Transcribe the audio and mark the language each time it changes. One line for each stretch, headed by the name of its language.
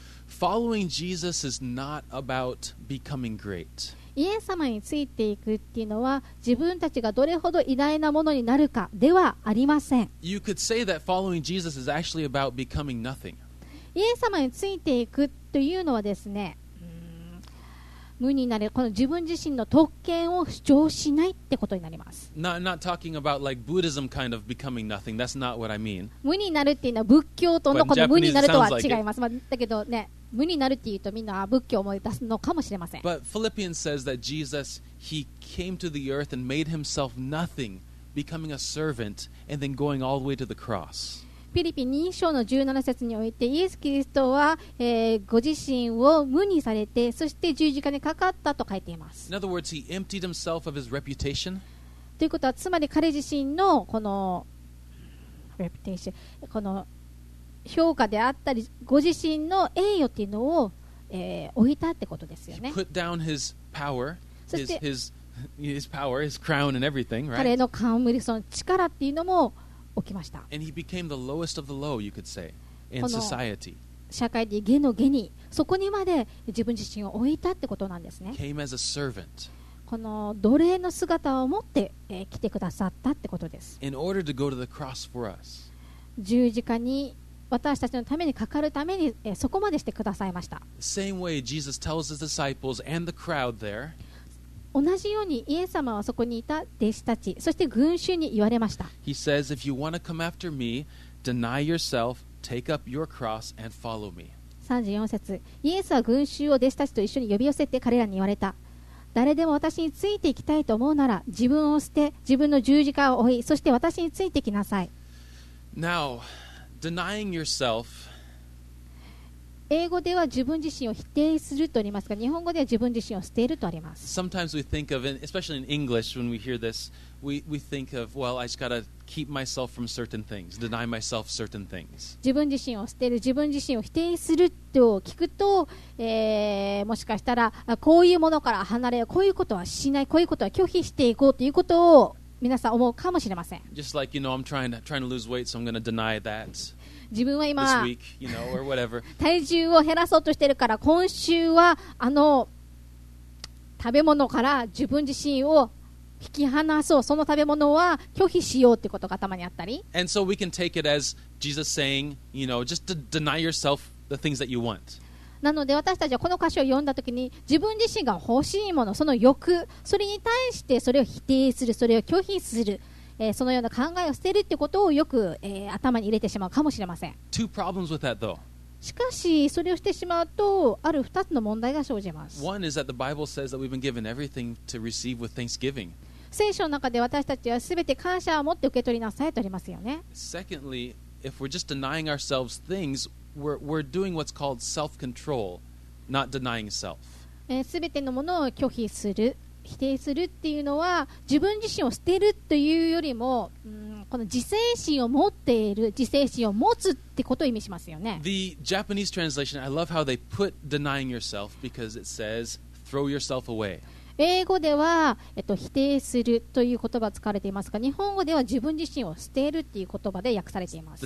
English: Following Jesus is not about becoming great.
Japanese: イエス様についていくっていうのは、自分たちがどれほど偉大なものになるかではありません。
English: You could say that following Jesus is actually about becoming nothing.
Japanese: イエス様についていくというのはですね、無になれ、この自分自身の特権を主張しないってことになります。
English: not talking about like Buddhism kind of becoming nothing. That's not what I mean.
Japanese: 無になるっていうのは仏教とのこの無になるとは違います。だけどね、無になるっていうとみんな仏教を思い出すのかもしれません。
English: But Philippians says that Jesus, he came to the earth and made himself nothing, becoming a servant and then going all the way to the cross.
Japanese: フィリピン2章の17節において、イエス・キリストは、ご自身を無にされて、そして十字架にかかったと書いています。
English: In other words, he emptied himself of his reputation.
Japanese: ということは、つまり彼自身のこの reputation、 この評価であったり、ご自身の栄誉というのを、置いたってことですよね。
English: He put down his power, his power, his crown and everything, right?
Japanese: 彼の冠、その力っていうのも起きました。
English: And he became the lowest of the low, you could say, in society.
Japanese: 社会で下の下に、そこにまで自分自身を置いたってことなんですね。
English: Came as a servant.
Japanese: この奴隷の姿を持って、来てくださったってことです。
English: In order to go to the cross for us.
Japanese: 十字架に私たちのためにかかるためにそこまでしてくださいました。
English: Same way, Jesus tells his disciples and the crowd there,
Japanese: 同じようにイエス様はそこにいた弟子たち、そして群衆に言われました。
English: He says, if you want to come after me, deny yourself, take up your cross and follow me.
Japanese: 34節、イエスは群衆を弟子たちと一緒に呼び寄せて彼らに言われた。誰でも私についていきたいと思うなら、自分を捨て、自分の十字架を追い、そして私についてきなさい。
English: Now, denying yourself,
Japanese: 英語では自分自身を否定するとありますが、日本語では自分自身を捨てるとあります。
English: Sometimes we think of, especially in English, when we hear this, we think of, well, I just gotta keep myself from certain things, deny myself certain things.
Japanese: 自分自身を捨てる、自分自身を否定すると聞くと、もしかしたらこういうものから離れ、こういうことはしない、こういうことは拒否していこうということを皆さん思うかもしれません。
English: Just like, you know, I'm trying to lose weight, so I'm gonna deny that.
Japanese: 自分は今
English: this week, you know, or whatever.
Japanese: 体重を減らそうとしてるから今週はあの食べ物から自分自身を引き離そう、その食べ物は拒否しようってことが頭にあったり。
English: And so we can take it as Jesus saying, you know, just to deny yourself the things that you want.
Japanese: なので私たちはこの歌詞を読んだときに、自分自身が欲しいもの、その欲、それに対してそれを否定する、それを拒否する、そのような考えを捨てるってことをよく、頭に入れてしまうかもしれません。
English: Two problems with that, though.
Japanese: しかしそれをしてしまうと、ある2つの問題が生じます。
English: One is that the Bible says that we've been given everything to receive with thanksgiving.
Japanese: 聖書の中で私たちはすべて感謝を持って受け取りなさいとありますよね。
English: Secondly, if we're just denying ourselves things, we're doing what's called self-control, not denying self.
Japanese: すべてのものを拒否する、否定するっていうのは、自分自身を捨てるというよりも、この自制心を持っている、自制心を持つってことを意味しますよね。
English: The Japanese translation, I love how they put denying yourself because it says throw yourself away.
Japanese: 英語では、否定するという言葉を使われていますが、日本語では自分自身を捨てるっていう言葉で訳されています。